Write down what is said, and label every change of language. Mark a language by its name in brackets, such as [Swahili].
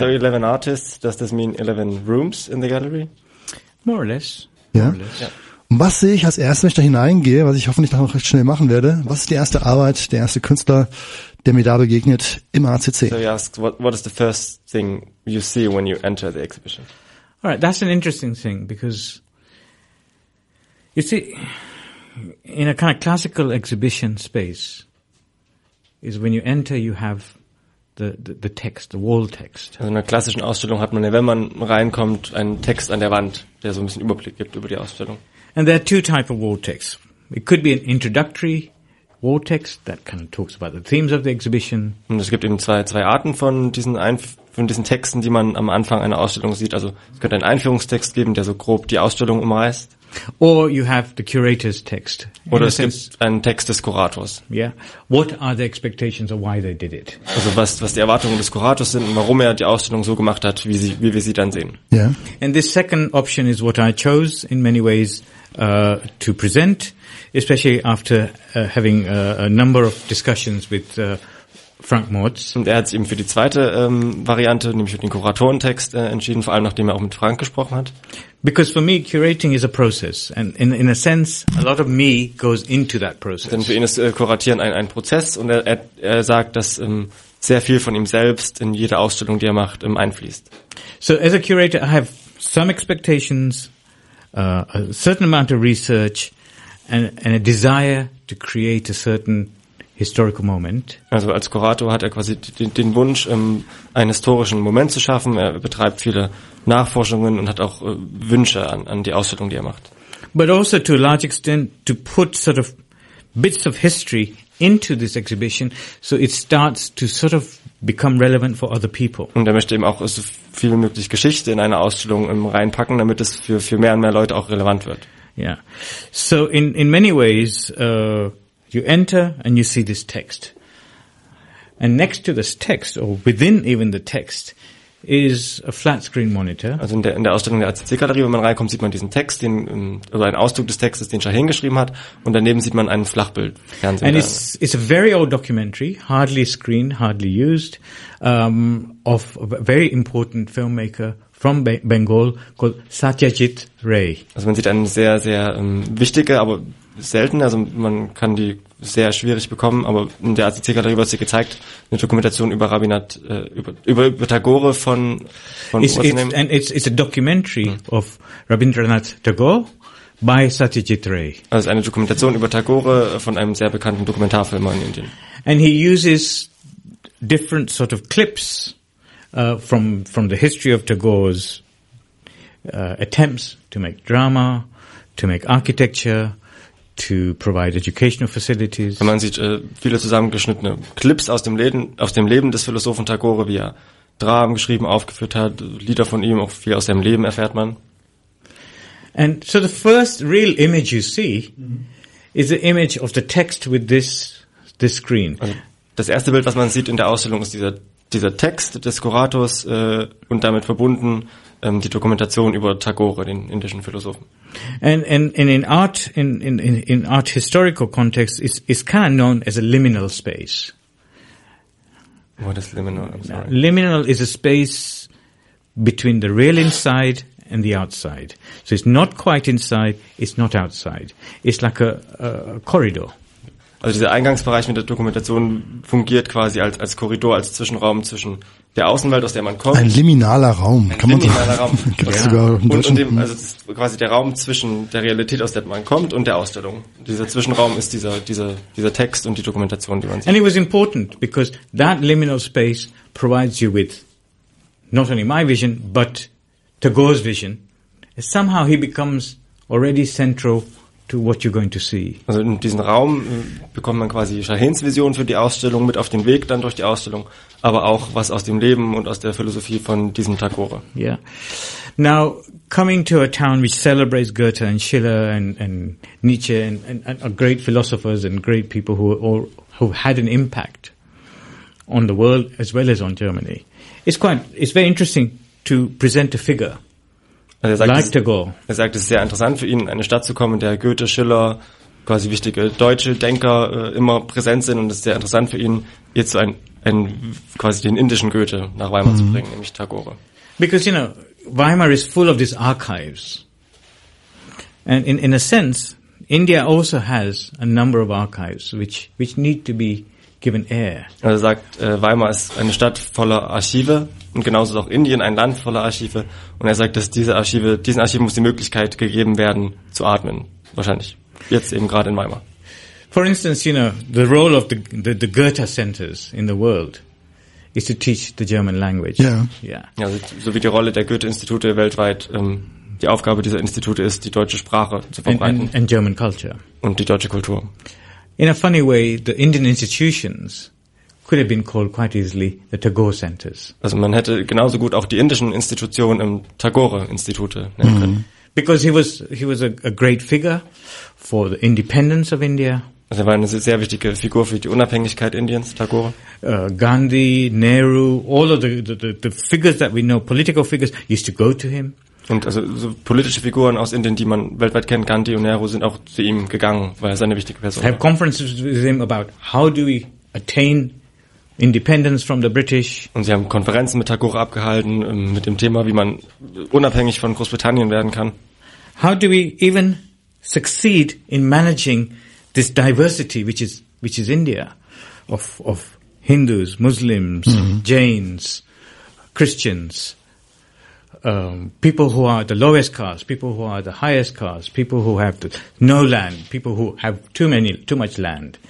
[English] So 11 artists, does this mean 11 rooms in the gallery? More or less. [German] Ja. Und was sehe ich als erstes, wenn ich da hineingehe, was ich hoffentlich noch recht schnell machen werde? Was ist die erste Arbeit, der erste Künstler, der mir da begegnet im ACC? [English] So you ask, what is the first thing you see when you enter the exhibition? All right, that's an interesting thing, because you see, in a kind of classical exhibition space, is when you enter, you have the text, the wall text. [German] Also in einer klassischen Ausstellung hat man, wenn man reinkommt, einen Text an der Wand, der so ein bisschen Überblick gibt über die Ausstellung. [English] And there are two types of wall text. It could be an introductory wall text that kind of talks about the themes of the exhibition. [German] Und es gibt eben zwei Arten von diesen Texten, die man am Anfang einer Ausstellung sieht. Also es könnte einen Einführungstext geben, der so grob die Ausstellung umreißt. [English] Or you have the curator's text. [German] Oder es gibt einen Text des Kurators. [English] Yeah. What are the expectations of why they did it? [German] Also was die Erwartungen des Kurators sind und warum er die Ausstellung so gemacht hat, wie wir sie dann sehen. [English] Yeah. And this second option is what I chose in many ways to present, especially after having a number of discussions with Frank Mautz. [German] Und er hat sich eben für die zweite Variante, nämlich für den Kuratorentext, entschieden, vor allem nachdem er auch mit Frank gesprochen hat. [English] Because for me, curating is a process, and in a sense, a lot of me goes into that process. [German] Denn für ihn ist Kuratieren ein Prozess, und er sagt, dass sehr viel von ihm selbst in jede Ausstellung, die er macht, einfließt. [English] So as a curator, I have some expectations, a certain amount of research, and a desire to create a certain historical moment. [German] Also als Kurator hat er quasi den Wunsch, einen historischen Moment zu schaffen. Er betreibt viele Nachforschungen und hat auch Wünsche an die Ausstellung, die er macht. [English] But also to a large extent to put sort of bits of history into this exhibition, so it starts to sort of become relevant for other people. [German] Und er möchte eben auch so viel wie möglich Geschichte in eine Ausstellung reinpacken, damit es für mehr und mehr Leute auch relevant wird. [English] Yeah. So in many ways, you enter and you see this text. And next to this text, or within even the text, is a flat screen monitor. [German] Also in der Ausstellung der ACC-Galerie, wenn man reinkommt, sieht man diesen Text, also einen Ausdruck des Textes, den Shaheen geschrieben hat, und daneben sieht man einen Flachbildfernseher. [English] And it's a very old documentary, hardly screened, hardly used, of a very important filmmaker from Bengal called Satyajit Ray. [German] Also man sieht eine sehr, sehr wichtige, aber selten, also man kann die sehr schwierig bekommen, aber in der ACC-Galerie wird sie gezeigt, eine Dokumentation über Rabindranath, über Tagore von [English] it's a documentary of Rabindranath Tagore by Satyajit Ray. [German] Also eine Dokumentation über Tagore von einem sehr bekannten Dokumentarfilmer in Indien. [English] And he uses different sort of clips from the history of Tagore's attempts to make drama, to make architecture, to provide educational facilities. [German] Man sieht viele zusammengeschnittene Clips aus dem Leben des Philosophen Tagore, wie er Dramen geschrieben, aufgeführt hat, Lieder von ihm, auch viel aus seinem Leben erfährt man. [English] And so the first real image you see is the image of the text with this screen. [German] Also das erste Bild, was man sieht in der Ausstellung, ist dieser Text des Kurators und damit verbunden die Dokumentation über Tagore, den indischen Philosophen. [English] And in art, in art historical context, is kind of known as a liminal space. What is liminal? I'm sorry. Liminal is a space between the real inside and the outside. So it's not quite inside, it's not outside. It's like a corridor. [German] Also dieser Eingangsbereich mit der Dokumentation fungiert quasi als Korridor, als Zwischenraum zwischen der Außenwelt, aus der man kommt. Ein liminaler Raum, kann man sagen. Ein liminaler Raum. Sogar und dem, also das ist quasi der Raum zwischen der Realität, aus der man kommt, und der Ausstellung. Dieser Zwischenraum ist dieser Text und die Dokumentation, die man sieht. [English] And it was important, because that liminal space provides you with not only my vision, but Tagore's vision. Somehow he becomes already central to what you're going to see. [German] Also in diesen Raum bekommt man quasi Shaheens Vision für die Ausstellung mit auf den Weg dann durch die Ausstellung, aber auch was aus dem Leben und aus der Philosophie von diesem Tagore. [English] Yeah. Now, coming to a town which celebrates Goethe and Schiller and Nietzsche and great philosophers and great people who had an impact on the world as well as on Germany. It's very interesting to present a figure. [German] Also er sagt, es ist sehr interessant für ihn, in eine Stadt zu kommen, in der Goethe, Schiller, quasi wichtige deutsche Denker immer präsent sind, und es ist sehr interessant für ihn, jetzt quasi den indischen Goethe nach Weimar zu bringen, nämlich Tagore. [English] Because, you know, Weimar is full of these archives. And in a sense, India also has a number of archives, which need to be given air. [German] Also er sagt, Weimar ist eine Stadt voller Archive. Und genauso ist auch Indien ein Land voller Archive. Und er sagt, dass diesen Archiven muss die Möglichkeit gegeben werden, zu atmen. Wahrscheinlich. Jetzt eben gerade in Weimar. [English] For instance, you know, the role of the Goethe centers in the world is to teach the German language. Yeah. Yeah. [German] Ja, so wie die Rolle der Goethe-Institute weltweit, die Aufgabe dieser Institute ist, die deutsche Sprache zu verbreiten. [English] And German culture. [German] Und die deutsche Kultur. [English] In a funny way, the Indian institutions could have been called quite easily the Tagore Centers. [German] Also man hätte genauso gut auch die indischen Institutionen im Tagore-Institute nennen können. [English] Because he was a great figure for the independence of India. [German] Also, er war eine sehr wichtige Figur für die Unabhängigkeit Indiens, Tagore. [English] Gandhi, Nehru, all of the figures that we know, political figures, used to go to him. [German] Und also so politische Figuren aus Indien, die man weltweit kennt, Gandhi und Nehru, sind auch zu ihm gegangen, weil er seine wichtige Person. [English] Have conferences with him about how do we attain independence from the British. [German] Und sie haben Konferenzen mit Tagore abgehalten mit dem Thema, wie man unabhängig von Großbritannien werden kann. [English] How do we even succeed in managing this diversity, which is India, of Hindus, Muslims, mm-hmm. Jains, Christians, people who are the lowest caste, people who are the highest caste, people who have no land, people who have too much land.